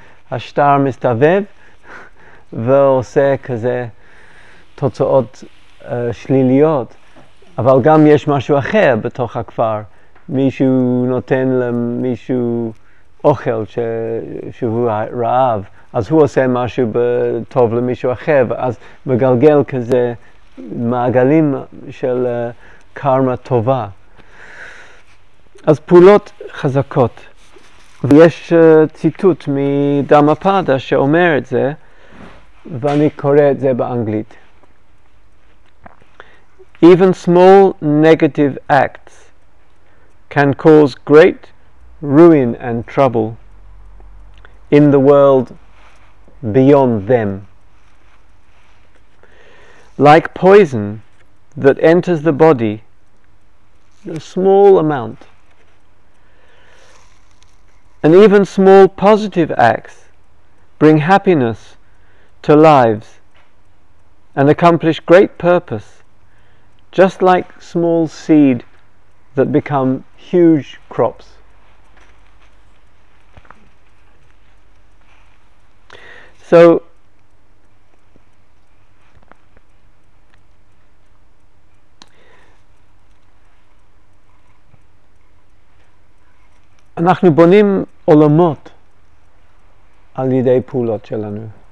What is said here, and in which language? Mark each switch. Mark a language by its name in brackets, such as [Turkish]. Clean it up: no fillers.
[Hebrew] השטר מסתובב ועושה כזה תוצאות שליליות, אבל גם יש משהו אחר בתוך הכפר, מישהו נותן למישהו אוכל שהוא רעב, אז הוא עושה משהו טוב למישהו אחר, ואז מגלגל כזה מעגלים של קרמה טובה. אז פעולות חזקות. ויש ציטוט מדמפדה שאומר את זה, ואני קורא את זה באנגלית. [English] Even small negative acts can cause great ruin and trouble in the world beyond them. Like poison that enters the body, a small amount, and even small positive acts bring happiness to lives and accomplish great purpose, just like small seed that become huge crops. [Hebrew] So אנחנו בונים עולמות על ידי פעולות שלנו.